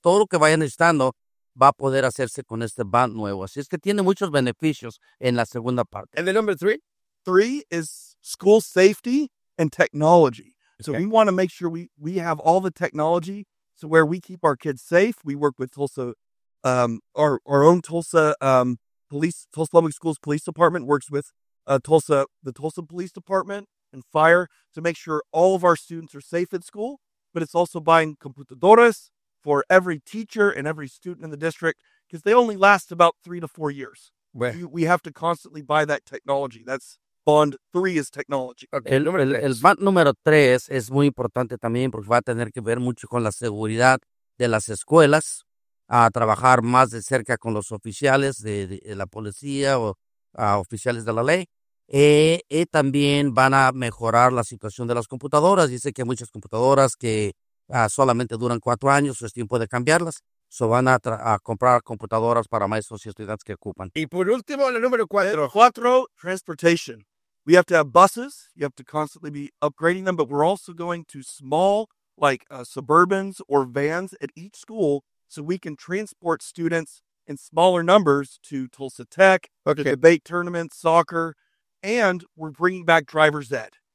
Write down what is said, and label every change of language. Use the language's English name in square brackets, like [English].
[Spanish] todo lo que vayan necesitando va a poder hacerse con este band nuevo. Así es que tiene muchos beneficios en la segunda parte. [English] And the number three? Three is school safety and technology. Okay. So we want to make sure we have all the technology so where we keep our kids safe. We work with Tulsa, our own Tulsa police, Tulsa Public Schools Police Department works with the Tulsa Police Department and fire to make sure all of our students are safe at school. But it's also buying computadoras for every teacher and every student in the district, because they only last about 3 to 4 years. [Spanish] Bueno. [English] We have to constantly buy that technology. That's bond three is technology. Okay. [Spanish] El bond número tres es muy importante también porque va a tener que ver mucho con la seguridad de las escuelas, a trabajar más de cerca con los oficiales de la policía o oficiales de la ley. También van a mejorar la situación de las computadoras. Dice que hay muchas computadoras que solamente duran 4 años, es tiempo de cambiarlas. So van a comprar computadoras para maestros y estudiantes que ocupan. Y por último, el número cuatro. [English] Transportation. We have to have buses. You have to constantly be upgrading them. But we're also going to small, like Suburbans or vans at each school so we can transport students in smaller numbers to Tulsa Tech, okay, to debate tournaments, soccer. And we're bringing back driver's ed.